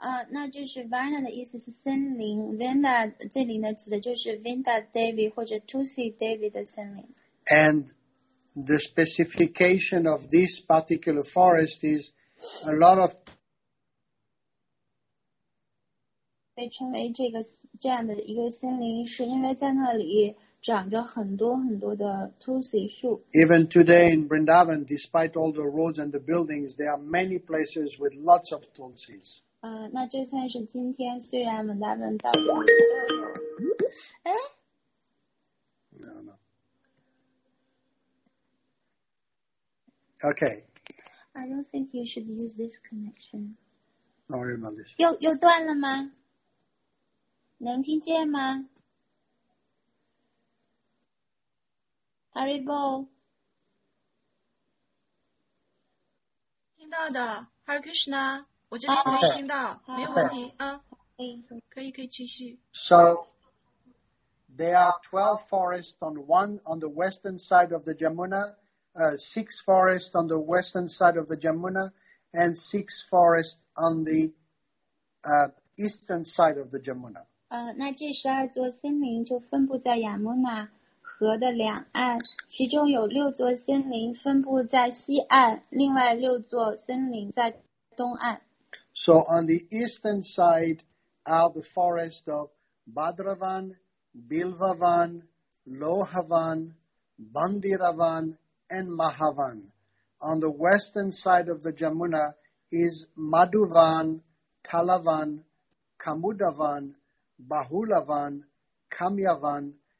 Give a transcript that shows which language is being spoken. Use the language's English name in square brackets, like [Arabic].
[Chinese] 那就是 Vana 的意思是森林 ,Vinda 这里呢指的就是 Vinda Devi 或者 Tulsi Devi 的森林。 [English] And the specification of this particular forest is a lot of... [Chinese] 被称为这样的一个森林是因为在那里长着很多很多的 Tulsi 树。 [English] Even today in Vrindavan, despite all the roads and the buildings, there are many places with lots of Tulsis. [Chinese] 那就算是今天虽然 Vrindavan 到处都有。 [English] No, no. Okay. I don't think you should use this connection. Don't worry about this. [Chinese] 又断了吗？能听见吗？ Haribo 听到的 Hare Krishna 我这边没听到、 [English] okay. [Chinese] 没有问题、可以继续 [English] So there are 12 forests on one on the western side of the Yamuna 6 forests on the western side of the Yamuna and 6 forests on the eastern side of the Yamuna [Chinese] 那这十二座森林就分布在 Yamuna河的两岸，其中有六座森林分布在西岸，另外六座森林在东岸。 [English] So on the eastern side are the forests of Badravan, Bilvavan, Lohavan, Bandiravan, and Mahavan. On the western side of the Yamuna is Madhuvan, Talavan, Kamudavan, Bahulavan, Kamyavan.